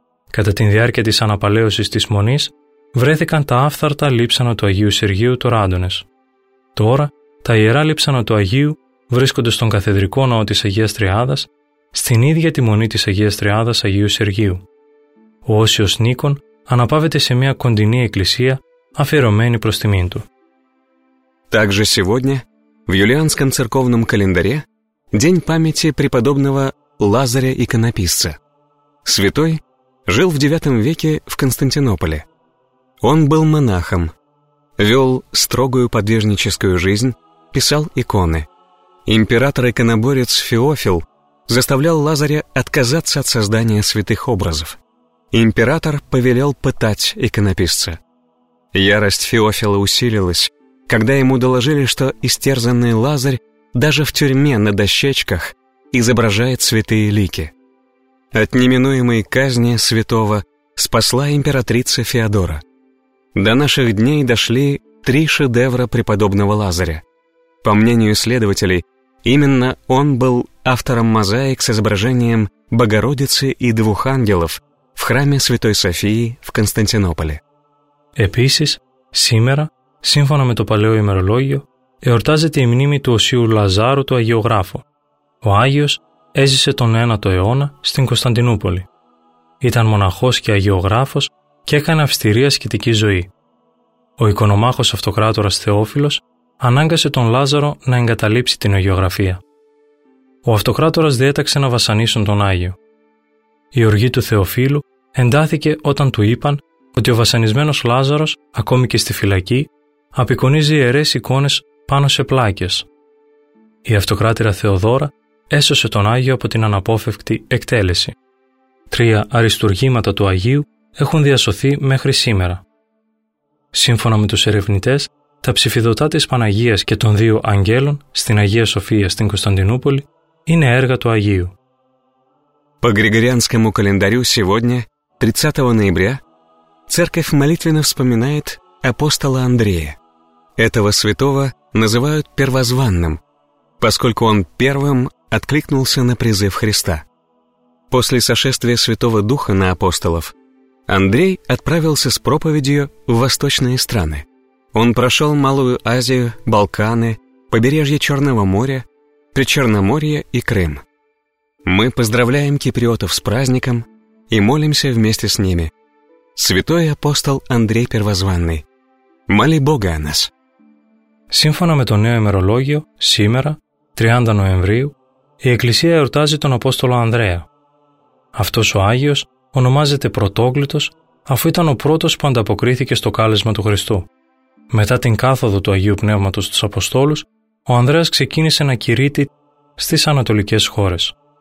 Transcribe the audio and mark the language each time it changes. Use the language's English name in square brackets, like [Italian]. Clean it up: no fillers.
[Greek] Κατά τη διάρκεια της αναπαλαίωσης της Μονής βρέθηκαν τα άφθαρτα λείψανα του Αγίου Σεργίου του Ράντονες. Τώρα τα ιερά λείψανα του Αγίου βρίσκονται στον καθεδρικό ναό της Αγίας Τριάδας, στην ίδια τη Μονή της Αγίας Τριάδας Αγίου Σεργίου. Ο Όσιος Νίκον αναπαύεται σε μια κοντινή εκκλησία αφιερωμένη προς τιμήν του. [Russian] Также сегодня в юлианском церковном календаре день памяти преподобного Лазаря иконописца. Святой жил в IX веке в Константинополе. Он был монахом, вел строгую подвижническую жизнь, писал иконы. Император-иконоборец Феофил заставлял Лазаря отказаться от создания святых образов. Император повелел пытать иконописца. Ярость Феофила усилилась, когда ему доложили, что истерзанный Лазарь даже в тюрьме на дощечках изображает святые лики. От неминуемой казни святого спасла императрица Феодора. До наших дней дошли три шедевра преподобного Лазаря. По мнению исследователей, именно он был автором мозаик с изображением Богородицы и двух ангелов в храме Святой Софии в Константинополе. [Greek] Επίσης, σήμερα, σύμφωνα με το παλαιό ημερολόγιο, εορτάζεται η μνήμη του Οσίου Λαζάρου του Αγιογράφου. Ο Άγιος έζησε τον 9ο αιώνα στην Κωνσταντινούπολη. Ήταν μοναχός και αγιογράφος και έκανε αυστηρή ασκητική ζωή. Ο οικονομάχος αυτοκράτορας Θεόφιλος ανάγκασε τον Λάζαρο να εγκαταλείψει την αγιογραφία. Ο αυτοκράτορας διέταξε να βασανίσουν τον Άγιο. Η οργή του Θεοφύλου εντάθηκε όταν του είπαν ότι ο βασανισμένος Λάζαρος, ακόμη και στη φυλακή, απεικονίζει ιερές εικόνες πάνω σε πλάκες. Η αυτοκράτηρα Θεοδώρα έσωσε τον Άγιο από την αναπόφευκτη εκτέλεση. Τρία αριστουργήματα του Αγίου έχουν διασωθεί μέχρι σήμερα. Σύμφωνα με τους ερευνητές, τα ψηφιδωτά της Παναγίας και των δύο Αγγέλων στην Αγία Σοφία στην Κωνσταντινούπολη είναι έργα του Αγίου. [Russian] По Григорианскому календарю сегодня, 30 ноября, церковь молитвенно вспоминает апостола Андрея. Этого святого называют первозванным, поскольку он первым откликнулся на призыв Христа. После сошествия Святого Духа на апостолов, Андрей отправился с проповедью в восточные страны. Он прошел Малую Азию, Балканы, побережье Черного моря, Причерноморье и Крым. Мы поздравляем киприотов с праздником и молимся вместе с ними. Святой апостол Андрей Первозванный, моли Бога о нас. [Greek] Σύμφωνα με το νέο ημερολόγιο, σήμερα, 30 Νοεμβρίου, η Εκκλησία εορτάζει τον Απόστολο Ανδρέα. Αυτός ο Άγιος ονομάζεται Πρωτόκλητος, αφού ήταν ο πρώτος που ανταποκρίθηκε στο κάλεσμα του Χριστού. Μετά την κάθοδο του Αγίου Πνεύματος στους Αποστόλους, ο Ανδρέας ξεκίνησε να κηρύττει στις ανατολικές χώρες.